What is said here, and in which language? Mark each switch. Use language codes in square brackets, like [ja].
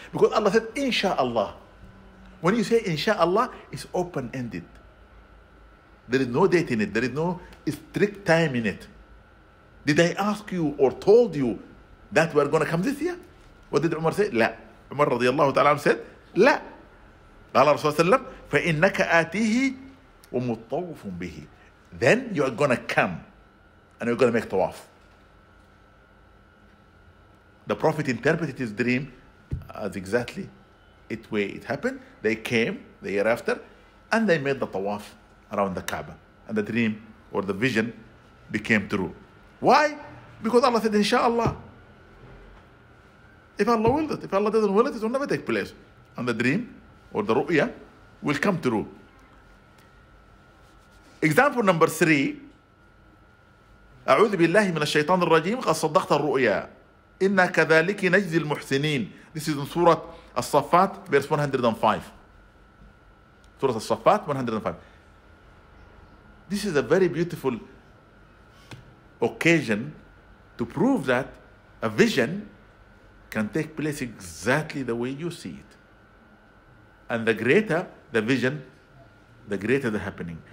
[en] Because Allah said, inshaAllah. When you say inshallah, it's open-ended. There is no date in it. There is no strict time in it. Did I ask you or told you that we're going to come this year? What did Umar say? La. Umar radiallahu ta'ala said, la. [ar] Qala Rasulullah, فَإِنَّكَ آتِيهِ وَمُطَّوْفٌ بِهِ. [en] Then you are going to come and you're going to make tawaf. The Prophet interpreted his dream as exactly it way it happened. They came the year after and they made the tawaf around the Kaaba. And the dream or the vision became true. Why? Because Allah said, inshallah. If Allah willed it, if Allah doesn't will it, it will never take place. And the dream or the ru'ya will come true. Example number 3. [ar] أعوذ بالله من الشيطان الرجيم قد صدقت الرؤيا إنا كذلك نجزي المحسنين. [en] This is in Surah As-Saffat, verse 105. Surah As-Saffat, 105. This is a very beautiful occasion to prove that a vision can take place exactly the way you see it. And the greater the vision, the greater the happening.